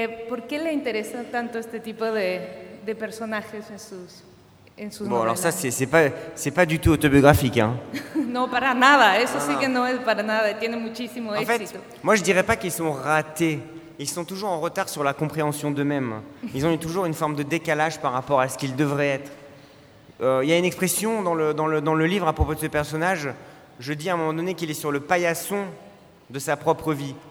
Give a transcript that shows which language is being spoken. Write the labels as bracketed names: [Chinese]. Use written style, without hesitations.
[Spanish] ¿Por qué le interesan tanto este tipo de personajes en sus novelas? [French] Bueno, alors ça, c'est pas du tout autobiographique, hein. [Spanish] No, para nada, eso sí que no es para nada, tiene muchísimo éxito. [French] En fait, moi je dirais pas qu'ils sont ratés. Ils sont toujours en retard sur la compréhension d'eux-mêmes. Ils ont toujours une forme de décalage par rapport à ce qu'ils devraient être. Il y a une expression dans le livre à propos de ce personnage. Je dis à un moment donné qu'il est sur le paillasson de sa propre vie.